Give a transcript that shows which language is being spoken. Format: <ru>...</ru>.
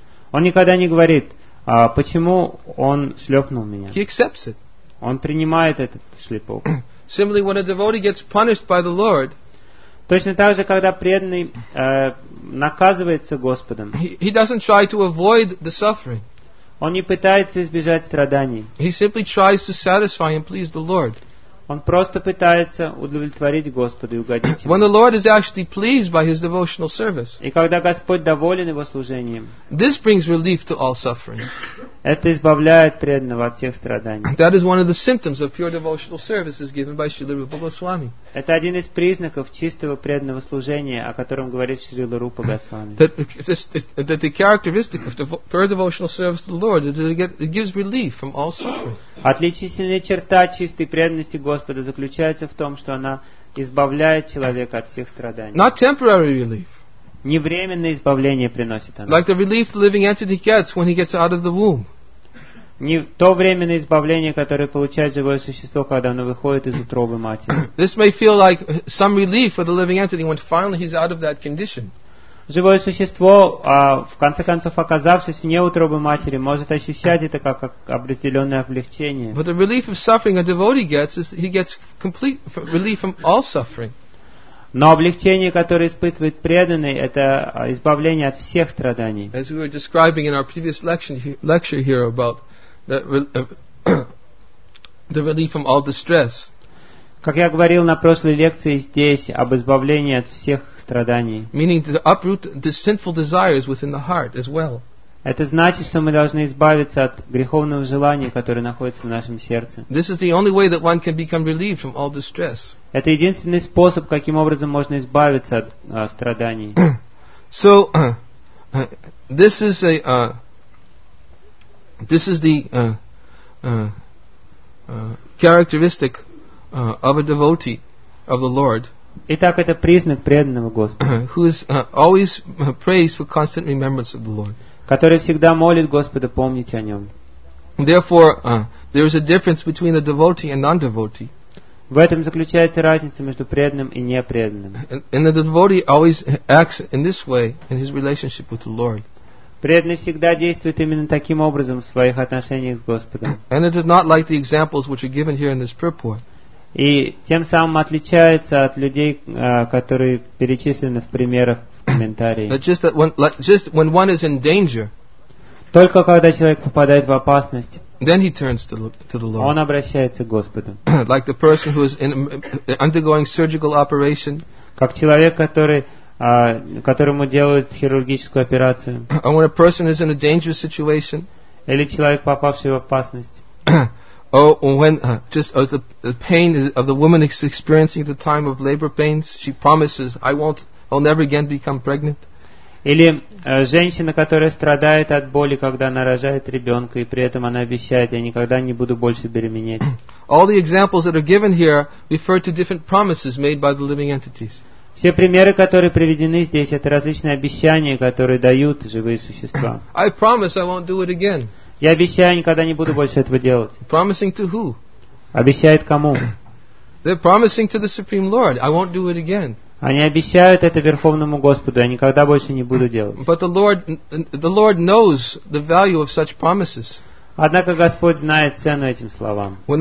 <ru>Он никогда не говорит, почему он шлепнул меня.</ru> <en>He accepts it.</en> <ru>Он принимает этот шлепок.</ru> <en>Similarly, when a devotee gets punished by the Lord,</en> <ru>точно так же, когда преданный наказывается Господом,</ru> <en>he doesn't try to avoid the suffering.</en> <ru>Он не пытается избежать страданий.</ru> <en>He simply tries to satisfy and please the Lord.</en> <ru>Он просто пытается удовлетворить Господа и угодить ему.</ru> <en>When the Lord is actually pleased by his devotional service.</en> <ru>И когда Господь доволен его служением.</ru> <en>This brings relief to all suffering.</en> <ru>Это избавляет преданного от всех страданий.</ru> <en>That is one of the symptoms of pure devotional service as given by Srila Rupa Goswami.</en> <ru>Это один из признаков чистого преданного служения, о котором говорит Шрила Рупа Госвами.</ru> <en>That the characteristic of pure devotional service to the Lord is that it gives relief from all suffering.</en> <ru>Отличительная черта чистой преданности Господа заключается в том, что она избавляет человека от всех страданий.</ru> <en>Not temporary relief.</en> <ru>Не временное избавление приносит оно.</ru> <en>Like the relief the living entity gets when he gets out of the womb.</en> <ru>Не то временное избавление, которое получает живое существо, когда оно выходит из утробы матери.</ru> <en>This may feel like some relief for the living entity when finally he's out of that condition.</en> <ru>Живое существо, в конце концов оказавшись вне утробы матери, может ощущать это как определенное облегчение.</ru> <en>But the relief of suffering a devotee gets is he gets complete relief from all suffering.</en> <ru>Но облегчение, которое испытывает преданный, это избавление от всех страданий.</ru> <en>As we were describing in our previous lecture here about the relief from all distress.</en> <ru>Как я говорил на прошлой лекции здесь об избавлении от всех страданий.</ru> <en>Meaning to uproot the sinful desires within the heart as well.</en> <ru>Это значит, что мы должны избавиться от греховного желания, которое находится в нашем сердце.</ru> <en>This is the only way that one can become relieved from all distress.</en> <ru>Это единственный способ, каким образом можно избавиться от страданий.</ru> <en>So this is a this is the characteristic of a devotee of the Lord.</en> <ru>Итак, это признак преданного Господа.</ru> <en>Who is always praised for constant remembrance of the Lord.</en> <ru>Который всегда молит Господа помнить о нем.</ru> <en>Therefore, there is a difference between a devotee and non-devotee.</en> <ru>В этом заключается разница между преданным и непреданным.</ru> <en>And the devotee always acts in this way in his relationship with the Lord.</en> <ru>Преданный всегда действует именно таким образом в своих отношениях с Господом.</ru> <en>And it is not like the examples which are given here in this purport.</en> <ru>И тем самым отличается от людей, которые перечислены в примерах в комментарии.</ru> <en>But just, that when, like, just when one is in danger,</en> <ru>только когда человек попадает в опасность,</ru> <en>then he turns to look, to the Lord.</en> <ru>Он обращается к Господу.</ru> <en>Like the person who is in, undergoing surgical operation,</en> <ru>как человек, который которому делают хирургическую операцию.</ru> <en>Or when a person is in a dangerous situation,</en> <ru>или человек, попавший в опасность.</ru> <en>Oh, when just as the pain of the woman is experiencing at the time of labor pains, she promises, I'll never again become pregnant.</en> <ru>Или женщина, которая страдает от боли, когда она рожает ребенка, и при этом она обещает, я никогда не буду больше беременеть.</ru> <en>All the examples that are given here refer to different promises made by the living entities.</en> <ru>Все примеры, которые приведены здесь, это различные обещания, которые дают живые существа.</ru> <en>I promise I won't do it again.</en> <ru>Я обещаю, никогда не буду больше этого делать.</ru> <en>Promising to who?</en> <ru>Обещает кому?</ru> <en>They're promising to the Supreme Lord. I won't do it again.</en> <ru>Они обещают это Верховному Господу. Я никогда больше не буду делать.</ru> <en>But the Lord knows the value of such promises.</en> <ru>Однако Господь знает цену этим словам.</ru>